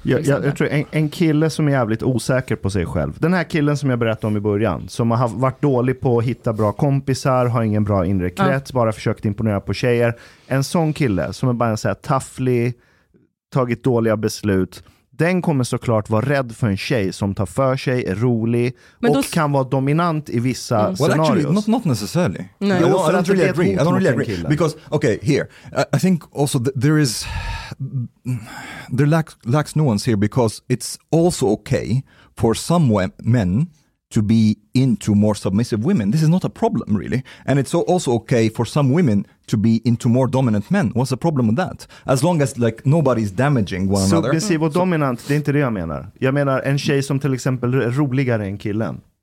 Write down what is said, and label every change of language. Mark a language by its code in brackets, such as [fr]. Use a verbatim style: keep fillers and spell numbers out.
[sv] Jag, jag, jag tror en, en kille som är jävligt osäker på sig själv, den här killen som jag berättade om i början, som har varit dålig på att hitta bra kompisar, har ingen bra inre krets, ja. Bara försökt imponera på tjejer. En sån kille som är bara en så här tafflig, tagit dåliga beslut, den kommer såklart vara rädd för en tjej som tar för sig, är rolig men och s- kan vara dominant i vissa mm. [en] scenarios. Well, actually, not, not necessarily. No. I don't really agree. I don't really agree. Because, okay, here, I, I think also th- there is, there lacks, lacks nuance here because it's also okay for some men to be into more submissive women. This is not a problem, really. And it's also okay for some women to be into more dominant men. What's the problem with that? As long as like nobody's damaging one Submissive another. [sv] Submissiv och dominant, det är inte det jag menar. Jag menar en tjej som till exempel är roligare än killen.